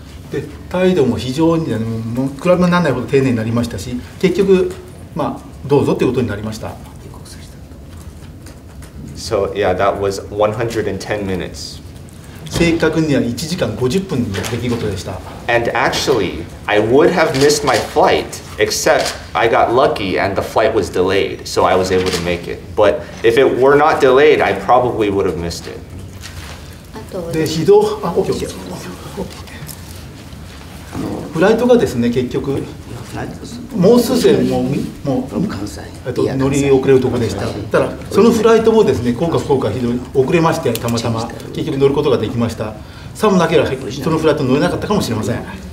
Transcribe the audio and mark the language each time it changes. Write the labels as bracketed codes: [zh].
[ja] で、態度も非常に比べもならないほど丁寧になりましたし、結局、まあ、どうぞということになりました。 [en] So yeah, that was 110 minutes. [ja] 正確には1時間50分の出来事でした。 [en] And actually, I would have missed my flight. Except I got lucky and the flight was delayed, so I was able to make it. But if it were not delayed, I probably would have missed it. [ja] で、非常、OK。フライトがですね、結局、もうすぐもう乗り遅れるところでした。ただ、そのフライトもですね、こうか非常に遅れまして、たまたま、結局乗ることができました。さもなければ、そのフライト乗れなかったかもしれません。